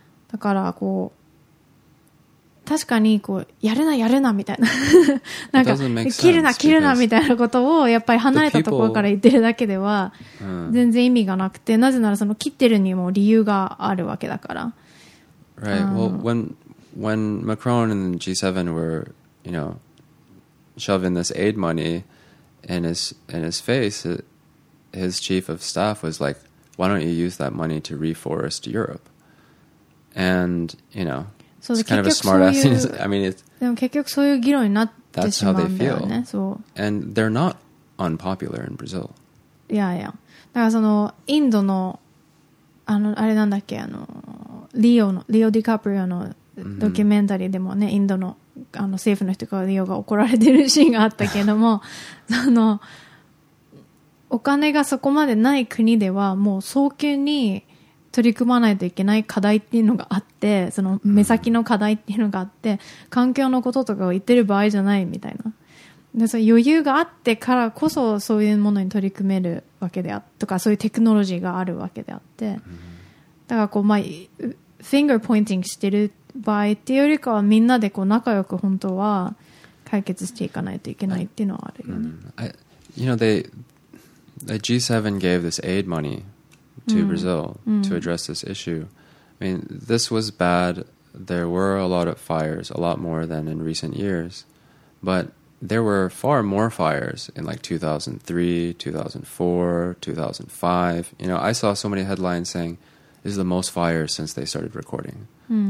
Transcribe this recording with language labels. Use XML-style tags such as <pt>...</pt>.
<ja>だからこう確かにこうやるなやるなみたい な, なんか切るな切るなみたいなことをやっぱり離れたところから言ってるだけでは全然意味がなくて、なぜならその切ってるにも理由があるわけだから。</ja> <en>Right, well, when Macron and G7 were, you know, shoving this aid money in his face, his chief of staff was like, why don't you use that money to reforest Europe? And, you know,</en> <ja>そう、結局そういう、</ja> <en>I mean, it's,</en> <ja>でも結局そういう議論になってしまうんだよね。そう。</ja> <en>And they're not unpopular in Brazil.</en> <ja>いやいや。だからそのインドのあれなんだっけ、リオディカプリオのドキュメンタリーでもね、mm-hmm. インドの政府の人からリオが怒られてるシーンがあったけれどもそのお金がそこまでない国ではもう早急に取り組まないといけない課題っていうのがあって、その目先の課題っていうのがあって、うん、環境のこととかを言ってる場合じゃないみたいな。でその余裕があってからこそそういうものに取り組めるわけであって、とかそういうテクノロジーがあるわけであって、だからこうまあフィンガーポインティングしてる場合っていうよりかはみんなでこう仲良く本当は解決していかないといけないっていうのはあるよね。</ja> <en>You know, the G7 gave this aid moneyto Brazil、mm. to address this issue. I mean, this was bad. There were a lot of fires, a lot more than in recent years. But there were far more fires in like 2003, 2004, 2005. You know, I saw so many headlines saying, this is the most fires since they started recording. Mm.</en>